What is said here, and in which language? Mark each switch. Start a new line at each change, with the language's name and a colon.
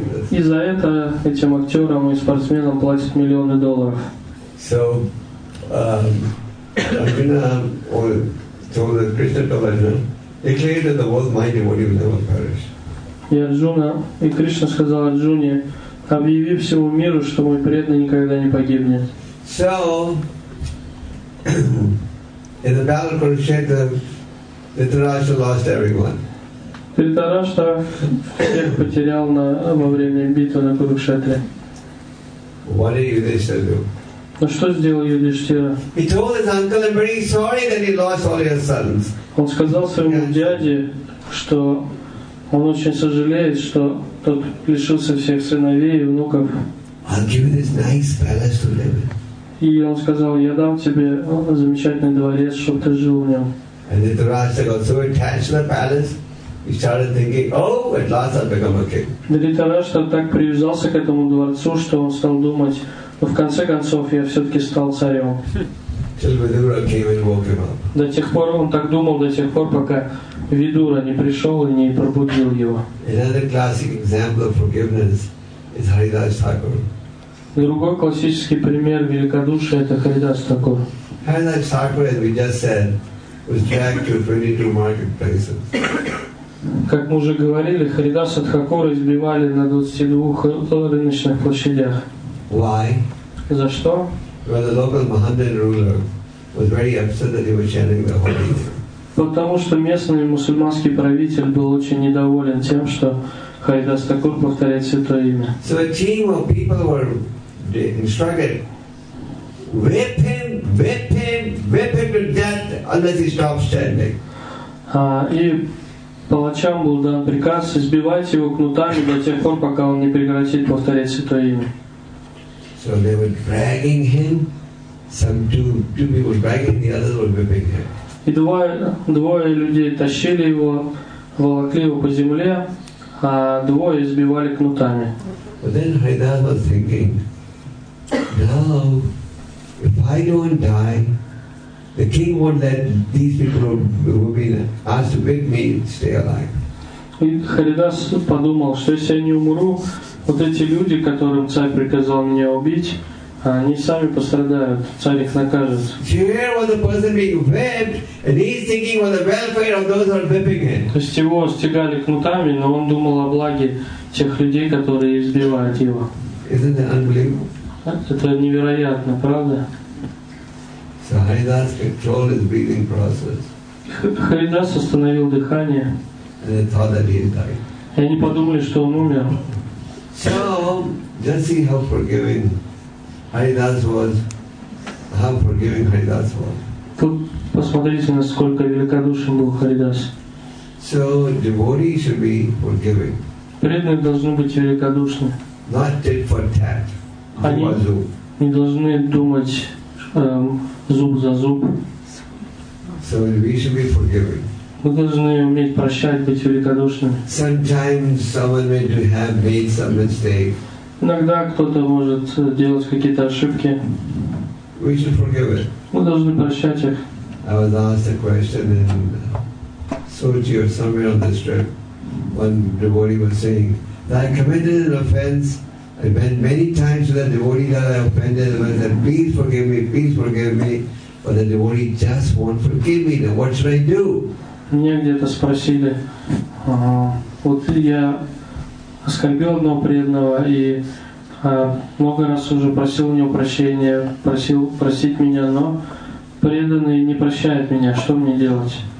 Russian: И за это этим актерам и спортсменам платят миллионы долларов.
English: So, Arjuna, so the Krishna told Arjuna, declared that the world my devotee will never perish.
Russian: И Арджуна, и Кришна сказал Арджуне, объяви всему миру, что мой преданный никогда не погибнет.
English: So, in the battle of Kurukshetra, Dhritarashtra lost everyone.
Russian: Dhritarashtra всех потерял во время битвы на Курукшетре.
English: What did Yudhishthira do?
Russian: Ну что сделал Юдиштира?
English: He told his uncle, "I'm very sorry that he lost all his sons."
Russian: Он сказал своему дяде, что он очень сожалеет, что тот лишился всех сыновей и внуков.
English: I'll give you this nice palace to live in.
Russian: И он сказал, я дам тебе замечательный дворец, чтобы ты жил в нем.
English: And Dhritarashtra got so attached to the palace, he started thinking, "Oh, at last I'll become a king."
Russian: Dhritarashtra так привязался к этому дворцу, что он стал думать, но в конце концов я все-таки стал царем.
English: Till Vidura came and woke him up.
Russian: До тех пор он так думал, до тех пор, пока Видура не пришел и не пробудил его.
English: Another classic example of forgiveness is Haridas Thakur.
Russian: Другой классический пример великодушия это Харидас Такур.
English: Haridas Thakur, as we just said, was dragged to 22 marketplaces.
Russian: Как мы уже говорили, Харидаса Тхакура избивали на 22 рыночных площадях.
English: Why?
Russian: За что?
English: Because the local Mohammedan ruler was very upset that he was sharing the holy.
Russian: Потому что местный мусульманский правитель был очень недоволен тем, что Харидас Тхакур повторяет святое имя.
English: So a team of people were instructed. Whip him to death unless he stops standing.
Russian: И палачам был дан приказ избивать его кнутами до тех пор, пока он не прекратит повторять святое имя.
English: So they were dragging him. Two people were dragging, the others were whipping him.
Russian: И двое людей тащили его, волокли его по земле, а двое избивали кнутами.
English: But then Haridas was thinking, no. If I don't die, the king won't let these people who have been asked to whip me stay alive.
Russian: И Харидас подумал, что если я не умру, вот эти люди, которым царь приказал меня убить, они сами пострадают, царь их накажет.
English: Here was a person being whipped, and he's thinking of the welfare of those who are whipping him.
Russian: То есть его стегали кнутами, но он думал о благе тех людей, которые избивают его.
English: Isn't that unbelievable?
Russian: Это невероятно, правда?
English: So Haridas controlled his breathing process.
Russian: Харидас остановил дыхание.
English: And they thought that he had died.
Russian: И они подумали, что он умер.
English: So, just see how forgiving Haridas was. How forgiving Haridas was.
Russian: Тут посмотрите, насколько великодушен был Харидас.
English: So, devotees should be forgiving.
Russian: Преданные должны быть великодушны.
English: Not tit for tat.
Russian: Они не должны думать зуб за зуб.
English: So we should be forgiving.
Russian: Мы должны уметь прощать, быть великодушными.
English: Sometimes someone may have made some mistake.
Russian: Иногда кто-то может делать какие-то ошибки.
English: We should forgive it.
Russian: Мы должны прощать их.
English: I was asked a question in Sochi or somewhere on this trip. One devotee was saying that I committed an offense. I went many times to the devotee that I offended and I said, please forgive me, but the devotee just won't forgive me. Now what should I do?
Russian: мне где-то спросили, вот я оскорбленного преданного и много раз уже просил у него прощения, просил простить меня, но преданный не прощает меня, что мне делать?